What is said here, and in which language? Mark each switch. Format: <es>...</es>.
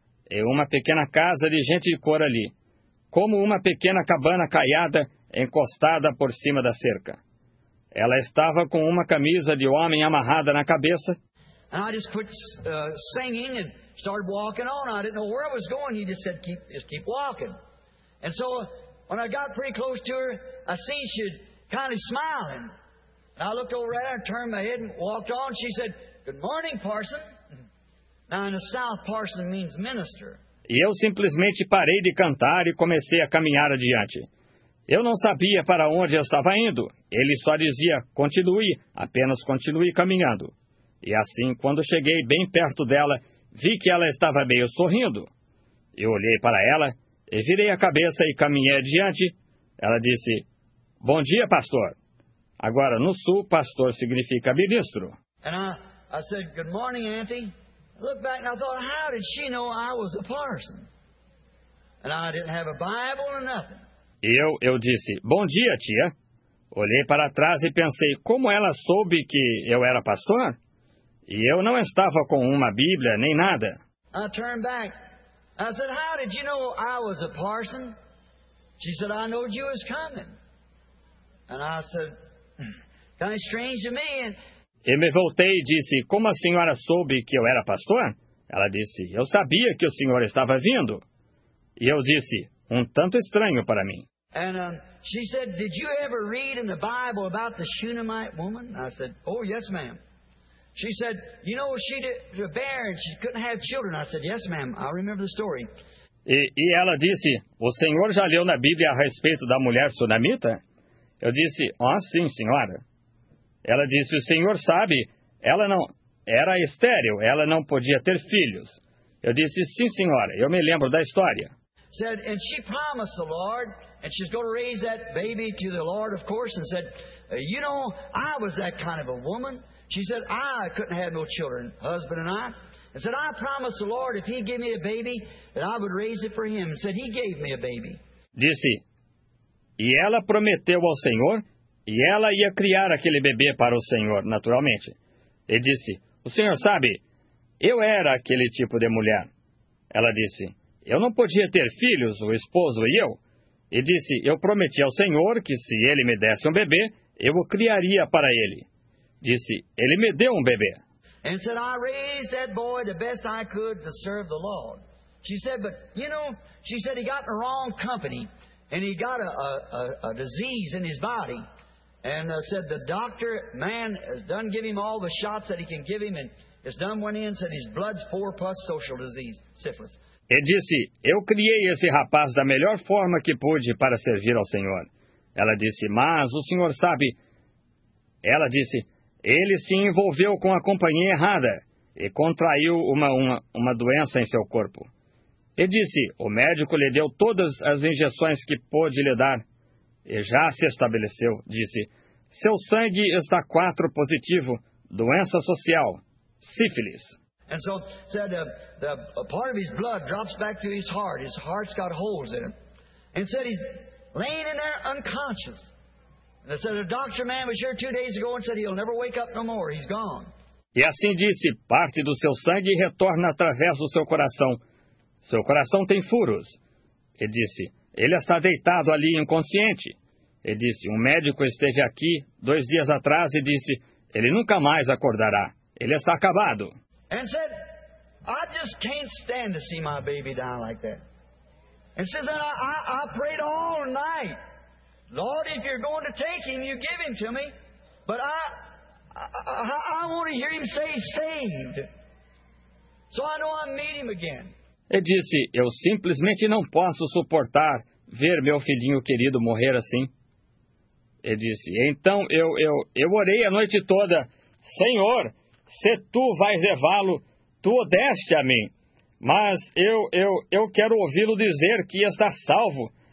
<pt>E uma pequena casa de gente de cor ali, como uma pequena cabana caiada encostada por cima da cerca. Ela estava com uma camisa de homem amarrada na cabeça.</pt> <en>And I just quit singing and started walking on. I didn't know where I was going. He just said, keep walking. And so when I got pretty close to her, I seen she kind of smiling. And I looked over at her and turned my head and walked on. She said, good morning, parson. Now in the South, parson means minister.</en> <pt>E eu simplesmente parei de cantar e comecei a caminhar adiante. Eu não sabia para onde eu estava indo. Ele só dizia, continue, apenas continue caminhando. E assim, quando cheguei bem perto dela, vi que ela estava meio sorrindo. Eu olhei para ela, e virei a cabeça e caminhei adiante. Ela disse, bom dia, pastor. Agora, no sul, pastor significa ministro. E eu disse,</pt> <en>good morning, auntie. I looked back and I thought, how did she know I was a parson? And I didn't have a Bible or nothing.</en> <pt>E eu disse, bom dia, tia. Olhei para trás e pensei, como ela soube que eu era pastor? E eu não estava com uma Bíblia nem nada.</pt> <en>I turned back. I said, how did you know I was a parson? She said, I knew you was coming. And I said, kind of strange to me.</en> <pt>E me voltei e disse, como a senhora soube que eu era pastor? Ela disse, eu sabia que o senhor estava vindo. E eu disse, um tanto estranho para mim.</pt> <en>And she said, did you ever read in the Bible about the Shunammite woman? I said, oh, yes, ma'am. She said, you know, she was a barren, she couldn't have children. I said, yes, ma'am, I remember the story.</en> <pt>E ela disse, o senhor já leu na Bíblia a respeito da mulher sunamita? Eu disse, oh, sim, senhora. Ela disse, o senhor sabe, ela não era estéril, ela não podia ter filhos. Eu disse, sim, senhora, eu me lembro da história.</pt> <en>Said, and she promised the Lord, and she's going to raise that baby to the Lord, of course, and said, you know, I was that kind of a woman. She said, I couldn't have no children, husband and I. And said, I promised the Lord, if he'd give me a baby, that I would raise it for him. And said, he gave me a baby.</en> <pt>Disse, e ela prometeu ao Senhor, e ela ia criar aquele bebê para o Senhor, naturalmente. E disse, o Senhor sabe, eu era aquele tipo de mulher. Ela disse, eu não podia ter filhos, o esposo e eu. E disse, eu prometi ao Senhor que se ele me desse um bebê, eu o criaria para ele. Disse, ele me deu um bebê.</pt> <en>And said, I raised that boy the best I could to serve the Lord. She said, but, you know, she said he got in the wrong company. And he got a disease in his body. And said, the doctor, man, has done give him all the shots that he can give him. And has done went in and said, his blood's poor plus social disease, syphilis.</en> <pt>E disse, eu criei esse rapaz da melhor forma que pude para servir ao Senhor. Ela disse, mas o Senhor sabe... Ela disse, ele se envolveu com a companhia errada e contraiu uma doença em seu corpo. E disse, o médico lhe deu todas as injeções que pôde lhe dar e já se estabeleceu. Disse, seu sangue está 4 positivo, doença social, sífilis.</pt> <en>And so said a part of his blood drops back to his heart. His heart's got holes in it. And said he's laying in there unconscious. And I said a doctor man was here 2 days ago and said he'll never wake up no more. He's gone.</en> <pt>E assim disse, parte do seu sangue retorna através do seu coração. Seu coração tem furos. E disse, ele está deitado ali inconsciente. E disse, um médico esteve aqui 2 dias atrás e disse, ele nunca mais acordará. Ele está acabado.</pt> <en>And said, I just can't stand to see my baby die like that. And says, I prayed all night. Lord, if you're going to take him, you give him to me. But I want to hear him say saved. So I know I'll meet him again.</en> <pt>E disse, eu simplesmente não posso suportar ver meu filhinho querido morrer assim. E disse, então eu orei a noite toda, Senhor... Se tu vais levá-lo, tu o deste a mim. Mas eu quero ouvi-lo dizer que está salvo.</pt>